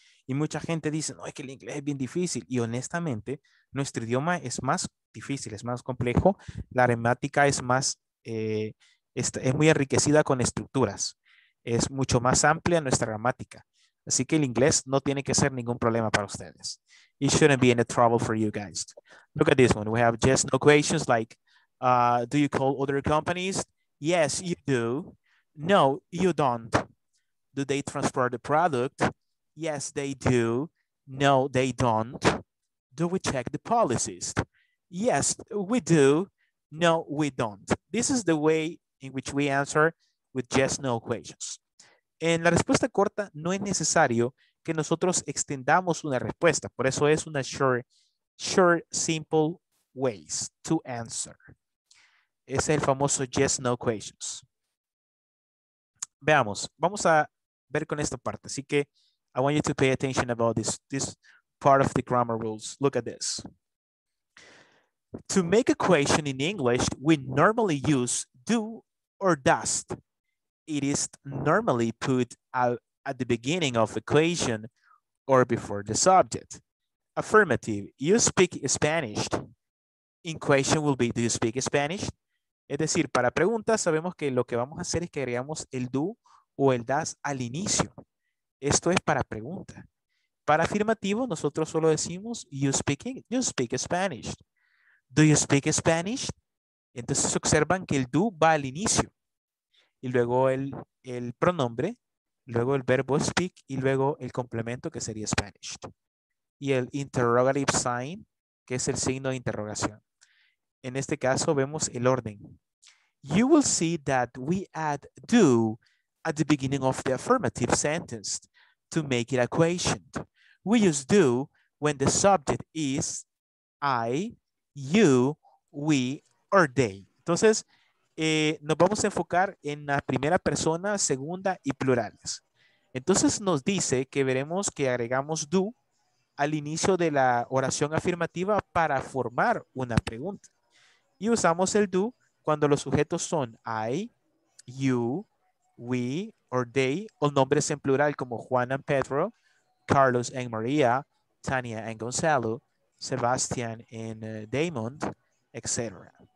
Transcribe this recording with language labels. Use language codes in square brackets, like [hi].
[es] Y mucha gente dice, no, es que el inglés es bien difícil. Y honestamente, nuestro idioma es más difícil, es más complejo. La gramática es más, es muy enriquecida con estructuras. Es mucho más amplia nuestra gramática. Así que el inglés no tiene que ser ningún problema para ustedes. [en] It shouldn't be any trouble for you guys. Look at this one. We have just no questions like, do you call other companies? Yes, you do. No, you don't. Do they transport the product? Yes, they do. No, they don't. Do we check the policies? Yes, we do. No, we don't. This is the way in which we answer with just no questions. [es] En la respuesta corta, no es necesario que nosotros extendamos una respuesta. Por eso es una [en] short, simple ways to answer. [es] Es el famoso [en] yes, no questions. [es] Veamos. Vamos a ver con esta parte. Así que [en] I want you to pay attention about this part of the grammar rules. Look at this. To make a question in English, we normally use do or does. It is normally put at the beginning of the question or before the subject. Affirmative. You speak Spanish. In question will be, do you speak Spanish? [es] Es decir, para preguntas sabemos que lo que vamos a hacer es que agregamos el do o el does al inicio. Esto es para pregunta. Para afirmativo, nosotros solo decimos [en] you speak English, you speak Spanish. Do you speak Spanish? [es] Entonces observan que el do va al inicio. Y luego el pronombre, luego el verbo speak y luego el complemento que sería Spanish. Y el interrogative sign, que es el signo de interrogación. En este caso vemos el orden. [en] You will see that we add do at the beginning of the affirmative sentence to make it a question. We use do when the subject is I, you, we, or they. [es] Entonces, nos vamos a enfocar en la primera persona, segunda y plurales. Entonces nos dice que veremos que agregamos do al inicio de la oración afirmativa para formar una pregunta. Y usamos el do cuando los sujetos son [en] I, you, we, or they, [es] o nombres en plural como Juan and Pedro, Carlos and Maria, Tania and Gonzalo, Sebastian and Damon, etc.